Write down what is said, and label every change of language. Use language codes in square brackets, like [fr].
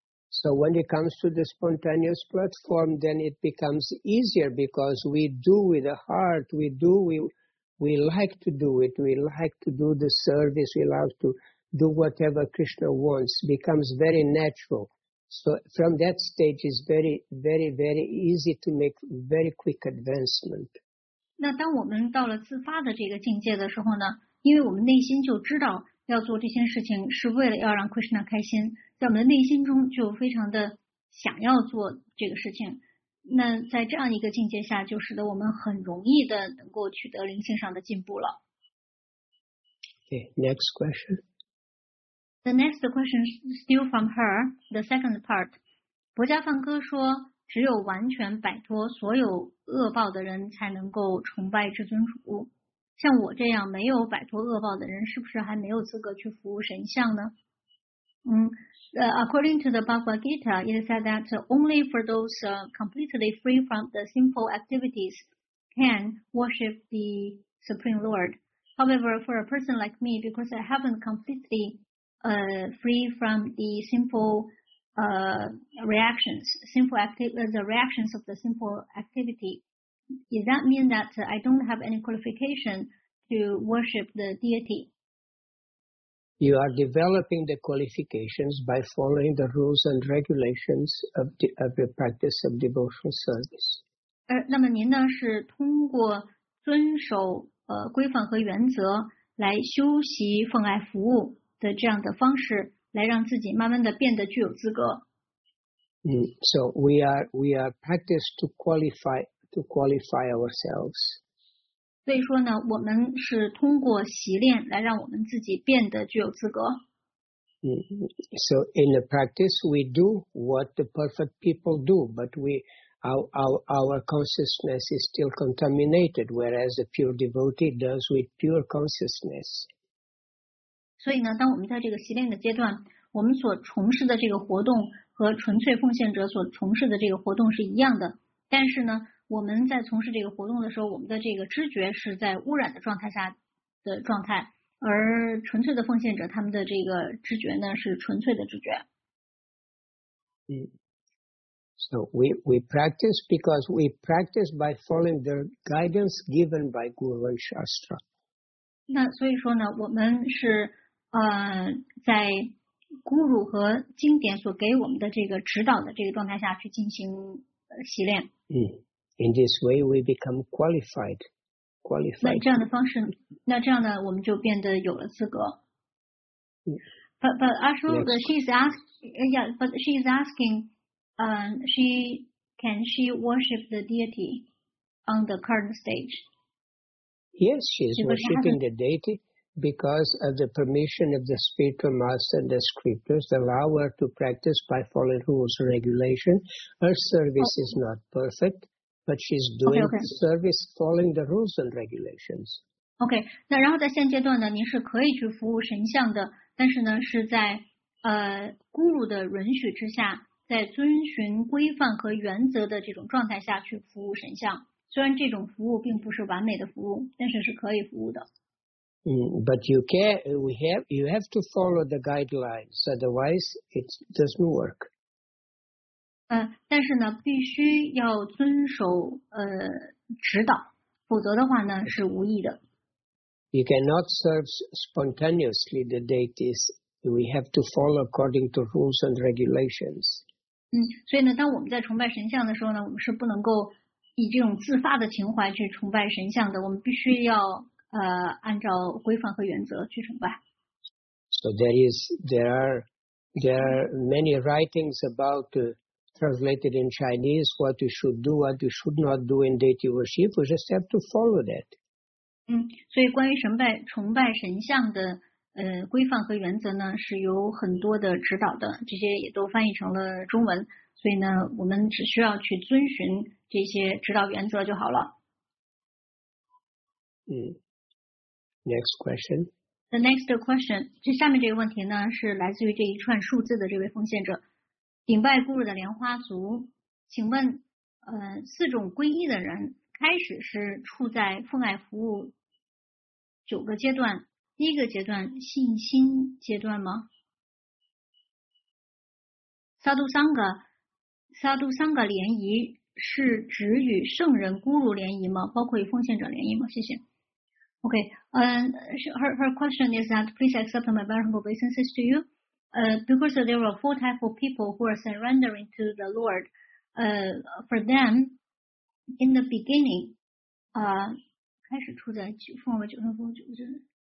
[en] So when it comes to the spontaneous platform, then it becomes easier because we do with the heart, we like to do it, we like to do the service, we love to do whatever Krishna wants, it becomes very natural. So from that stage, it's very, very, very easy to make very quick advancement. [zh] 那当我们到了自发的这个境界的时候呢，因为我们内心就知道要做这些事情是为了要让 Krishna 开心，在我们的内心中就非常的想要做这个事情，那在这样一个境界下就使得我们很容易的能够取得灵性上的进步了。 [en] Okay, next question. The next question is still from her, the second part. [zh] 薄伽梵歌说只有完全摆脱所有恶报的人才能够崇拜至尊主，像我这样没有摆脱恶报的人是不是还没有资格去服务神像呢？ [en] According to the Bhagavad Gita, it said that only for those completely free from the sinful activities can worship the Supreme Lord. However, for a person like me, because I haven't completely free from the sinful reactions, the reactions of the sinful activity, does that mean that I don't have any qualification to worship the deity? You are developing the qualifications by following the rules and regulations of your practice of devotional service. [zh] 那么您呢是通过遵守规范和原则来修习奉爱服务的这样的方式，来让自己慢慢的变得具有资格。 [en] So we are practiced to qualify ourselves. [zh] 所以说呢，我们是通过习练来让我们自己变得具有资格。 [en] So in the practice, we do what the perfect people do, but our consciousness is still contaminated, whereas a pure devotee does with pure consciousness. [zh] 所以呢，当我们在这个习练的阶段，我们所从事的这个活动和纯粹奉献者所从事的这个活动是一样的，但是呢。我们在从事这个活动的时候，我们的这个知觉是在污染的状态下的状态，而纯粹的奉献者他们的这个知觉呢是纯粹的知觉。 [en] So we practice because we practice by following the guidance given by Guru and Shastra. [zh] 那所以说呢，我们是在 Guru 和经典所给我们的这个指导的这个状态下去进行习练。 [en] In this way, we become qualified. Qualified. [zh] 那这样的方式，那这样呢，我们就变得有了资格。 [en] But Ashok, she is asking, can she worship the deity on the current stage? Yes, she is worshiping the deity because of the permission of the spiritual master and the scriptures allow her to practice by following rules and regulations. Her service is not perfect. But she's doing service following the rules and regulations. [zh] Okay, 那然后在现阶段呢，您是可以去服务神像的，但是呢，是在Guru 的允许之下，在遵循规范和原则的这种状态下去服务神像。虽然这种服务并不是完美的服务，但是是可以服务的。 [en] But you can, you have to follow the guidelines, otherwise it doesn't work. [zh] 但是呢必须要遵守指导，否则的话呢是无益的。 [en] You cannot serve spontaneously the deities. We have to follow according to rules and regulations. [zh] 所以呢当我们在崇拜神像的时候呢，我们是不能够以这种自发的情怀去崇拜神像的，我们必须要按照规范和原则去崇拜。 [en] So there are many writings about translated in Chinese, what you should do, what you should not do in deity worship, we just have to follow that. [zh] 所以关于崇拜神像的规范和原则呢，是有很多的指导的，这些也都翻译成了中文，所以呢，我们只需要去遵循这些指导原则就好了。 [en] Next question. The next question， [zh] 这下面这个问题呢，是来自于这一串数字的这位奉献者，顶拜古鲁的莲花族，请问，四种皈依的人开始是处在奉爱服务九个阶段，第一个阶段信心阶段吗？萨杜桑格联谊是指与圣人古鲁联谊吗？包括与奉献者联谊吗？谢谢。 [en] Okay, her question is that please accept my vulnerable obeisances to you. Because there are four types of people who are surrendering to the Lord, for them, in the beginning, [zh] 开始处在奉为九分佛九阵。